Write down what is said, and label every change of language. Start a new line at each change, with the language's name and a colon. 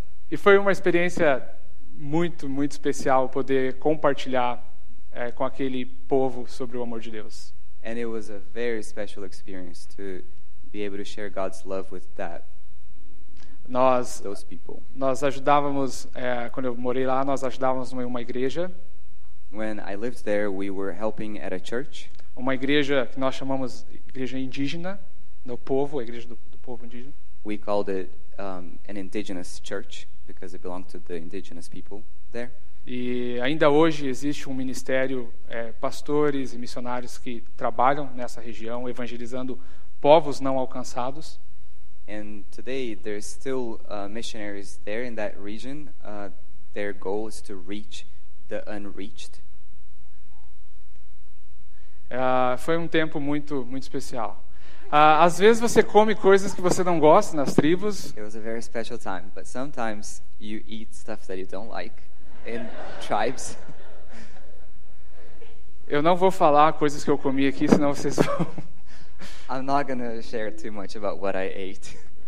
Portuguese: E foi uma experiência muito, muito especial poder compartilhar com aquele povo sobre o amor de Deus.
English: And it was a very special experience to be able to share God's love with that.
Portuguese: Nós ajudávamos quando eu morei lá, nós ajudávamos em uma igreja.
English: When I lived there, we were helping at a church.
Portuguese: Uma igreja que nós chamamos igreja indígena, no povo, a igreja do povo indígena.
English: We called it an indigenous church because it belonged to the indigenous people there.
Portuguese: E ainda hoje existe um ministério, pastores e missionários que trabalham nessa região, evangelizando povos não alcançados.
English: And today there's still missionaries there in that region. Their goal is to reach the unreached.
Portuguese: Foi um tempo muito, muito especial. Às vezes você come coisas que você não gosta nas tribos.
English: It was a very special time, but sometimes you eat stuff that you don't like. In tribes.
Portuguese: Eu não vou falar coisas que eu comi aqui, senão vocês vão.
English: I'm not going to share too much about what I ate.